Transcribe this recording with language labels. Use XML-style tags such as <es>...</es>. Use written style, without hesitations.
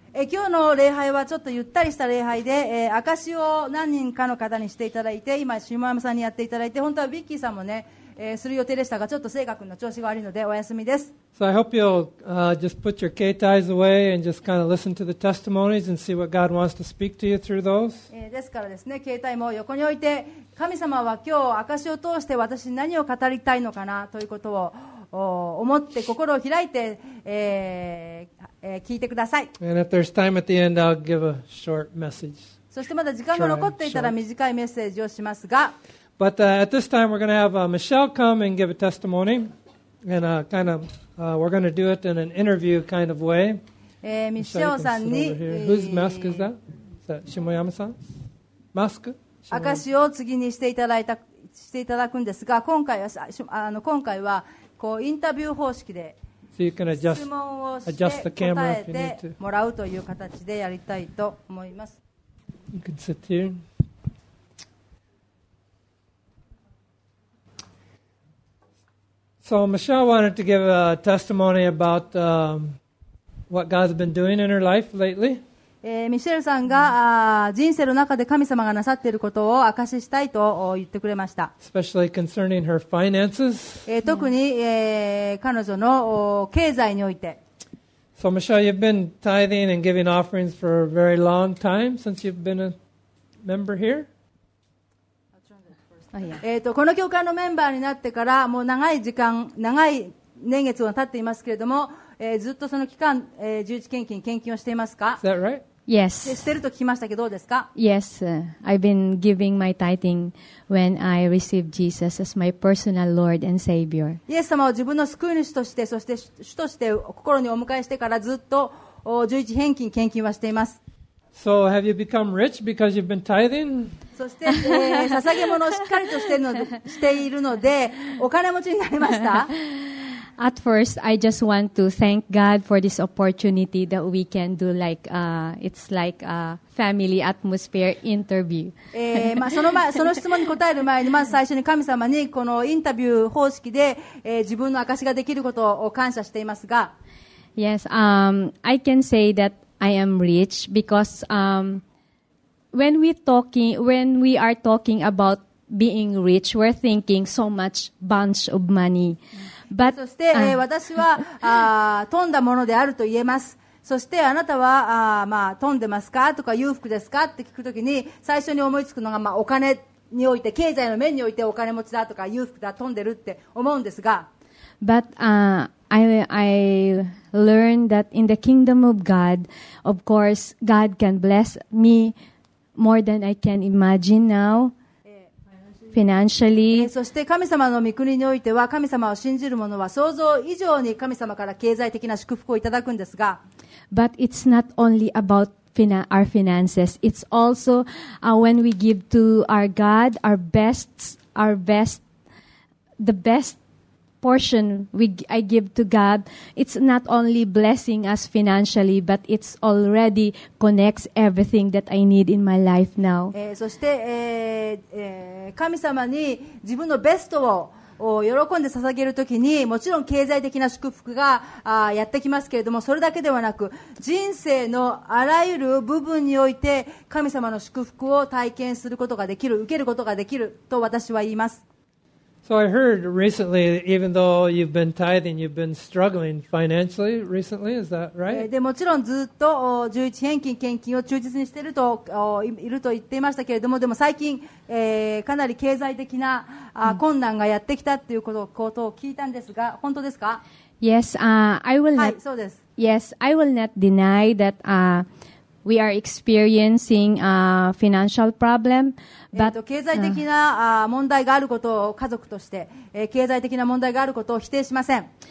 <ja>今日の礼拝はちょっとゆったりした礼拝で、証を何人かの方にしていただいて、今、下山さんにやっていただいて、本当はVickyさんもね、する予定でしたが、ちょっと聖賀君の調子が悪いのでお休みです。</ja> <en>So I hope you'll just put your</en> <ja>携帯</ja> <en>away and just kind of listen to the testimonies and see what God wants to speak to you through those.</en> <ja>ですからですね、携帯も横に置いて、神様は今日証を通して私に何を語りたいのかなということを思って心を開いて、聞いてください。</ja> <en>And if there's time at the end, I'll give a short message.</en> <ja>そしてまだ時間が残っていたら短いメッセージをしますが。</ja> <en>But at this time we're going to have Michelle come and give a testimony, and kind of we're going to do it in an interview kind of way.</en> <ja>Michelle さんに、</ja> <en>whose mask is that? Is that Shimoyama-san? Mask?</en> <ja>証を次にしていただくんですが、今回はこうインタビュー方式で、質問をして答えてもらうという形でやりたいと思います。</ja> <en>You can sit here. So Michelle wanted to give a testimony about what God's been doing in her life lately.</en> <ja>Michelle さんが人生の中で神様がなさっていることを証ししたいと言ってくれました。</ja> <en>Especially concerning her finances.</en> <ja>特に彼女の経済において。</ja> <en>So Michelle, you've been tithing and giving offerings for a very long time since you've been a member here.</en> <ja>この教会のメンバーになってからもう長い時間、長い年月が経っていますけれども、ずっとその期間、十一献金献金をしていますか？</ja> <en>Is that right? Yes.</en> <ja>してると聞きましたけどどうですか？</ja> <en>Yes. I've been giving my tithing when I received Jesus as my personal Lord and Savior.</en> <ja>イエス様を自分の救い主としてそして主として心にお迎えしてからずっと十一献金献金はしています。</ja> <en>So have you become rich because you've been tithing?</en> <ja>そして、捧げ物をしっかりとしているのでお金持ちになりました。</ja> <en>At first, I just want to thank God for this opportunity that we can do like it's like a family atmosphere interview.</en> <ja>その質問に答える前にまず最初に神様にこのインタビュー方式で、自分の証ができることを感謝していますが。</ja> <en>Yes, I can say thatI am rich because when we are talking about being rich, we're thinking so much bunch of money.</en> <ja>But, そして、私は富んだものであると言えます。そしてあなたは富んでますかとか裕福ですかって聞くときに最初に思いつくのが、お金において経済の面においてお金持ちだとか裕福だ富んでるって思うんですが。</ja> <en>But, I learned that in the kingdom of God, of course, God can bless me more than I can imagine now, financially.</en> <ja>そして神様の御国においては、神様を信じる者は想像以上に神様から経済的な祝福をいただくんですが。</ja> <en>But it's not only about our finances. It's also when we give to our God the best portion I give to God. It's not only blessing us financially, but it's already connects everything that I need in my life now.</en> <ja>そして、神様に自分のベストを喜んで捧げるときにもちろん経済的な祝福がやってきますけれどもそれだけではなく人生のあらゆる部分において神様の祝福を体験することができる受けることができると私は言います。</ja> <en>So I heard recently even though you've been tithing you've been struggling financially recently is that right?</en> <ja>でもちろんずっと11返金献金を忠実にしているといると言っていましたけれどもでも最近かなり経済的な困難がやってきたっていうことを聞いたんですが、本当ですか？</ja> <en>Yes, I will not,</en> <ja>はい、そうです。</ja> <en>Yes, I will not deny that we are experiencing a financial problem. But,</en> <ja>経済的な問題があることを家族として、経済的な問題があることを否定しません。</ja>